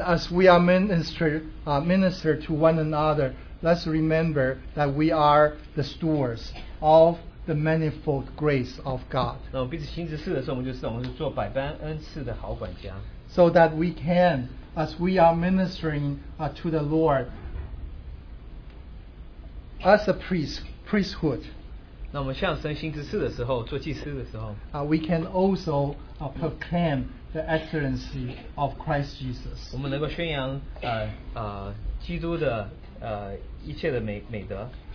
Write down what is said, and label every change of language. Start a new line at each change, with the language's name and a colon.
English: as we are minister to one another, let's remember that we are the stewards of the manifold grace of God.
Chinese: 那我们彼此行执事的时候，我们就是我们是做百般恩赐的好管家。
English: So that we can, as we are ministering to the Lord, as a priest, priesthood,
Chinese: 那我们向神行职事的时候, 做祭司的时候,
English: we can also proclaim the excellency of Christ Jesus.
Chinese: 我们能够宣扬, 基督的, 一切的美德,